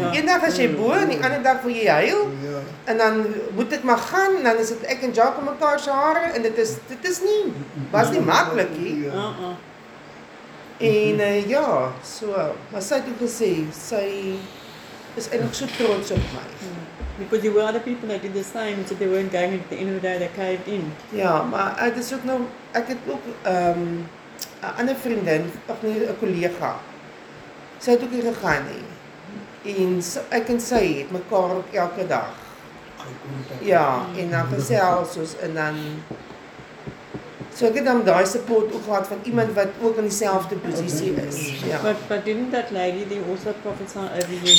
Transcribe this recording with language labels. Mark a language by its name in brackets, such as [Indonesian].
[Afrikaans] Eendag as jy bo, en die ander dag wil jy huil, en dan moet ek maar gaan, en dan is dit ek en Jack om mekaar se hare, en dit is nie, was nie maklik nie. En ja, so, maar sy het ook gesê, sy is eintlik so trots op my. [English] Because there were other people that did the same, so they weren't going at the end of the day, they caved in. [Afrikaans] Yeah, maar het is ook nou, ek het ook een ander vriendin, of nie, een collega, sy het ook hier gegaan nie. En so, ek en sy het mekaar ook elke dag. Ja, en dan gesels soos, en dan, so ek het dan die support ook gehad van iemand wat ook in diezelfde positie is. Ja. [English] But didn't that lady die also prophesy over you?